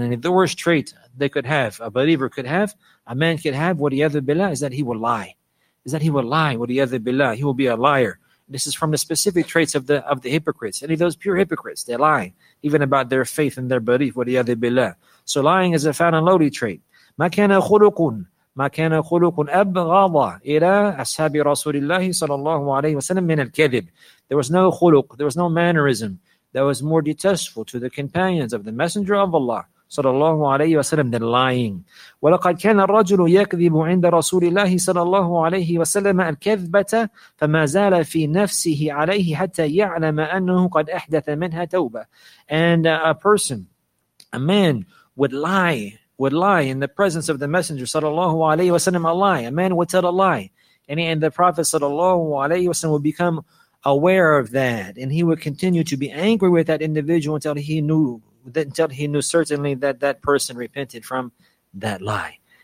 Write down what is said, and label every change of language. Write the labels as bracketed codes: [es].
[en] And the worst trait they could have, a believer could have, a man could have, waliyadhu billah, is that he will lie, waliyadhu billah, he will be a liar. This is from the specific traits of the hypocrites. Any of those pure hypocrites, they lie, even about their faith and their belief, waliyadhu billah. So lying is a foul and lowly trait. [ar] ما كان خلقٌ أبغض إلى أصحاب رسول الله صلى الله عليه وسلم من الكذب. [en] There was no خلق, there was no mannerism that was more detestful to the companions of the Messenger of Allah صلى الله عليه وسلم than lying. [ar] ولقد كان الرجل يكذب عند رسول الله صلى الله عليه وسلم الكذبة فما زال في نفسه عليه حتى يعلم أنه قد أحدث منها توبة. [en] And a man would lie in the presence of the Messenger sallallahu alayhi wa sallam, a man would tell a lie, and the Prophet sallallahu alayhi wa sallam would become aware of that, and he would continue to be angry with that individual until he knew certainly that person repented from that lie.